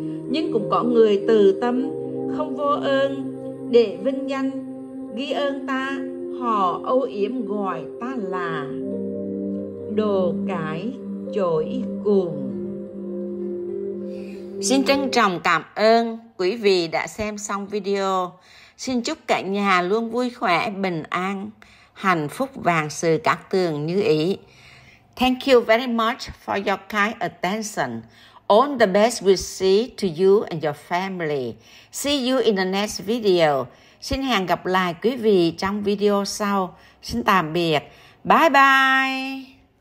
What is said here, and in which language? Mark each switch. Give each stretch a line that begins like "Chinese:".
Vietnamese: Nhưng cũng có người từ tâm không vô ơn, để vinh danh ghi ơn ta, họ âu yếm gọi ta là đồ cái chổi cùng. Xin trân trọng cảm ơn quý vị đã xem xong video. Xin chúc cả nhà luôn vui khỏe, bình an, hạnh phúc vạn sự cát tường như ý.
English: Thank you very much for your kind attention. All the best wishes to you and your family. See you in the next video.
Vietnamese: Xin hẹn gặp lại quý vị trong video sau. Xin tạm biệt. Bye bye.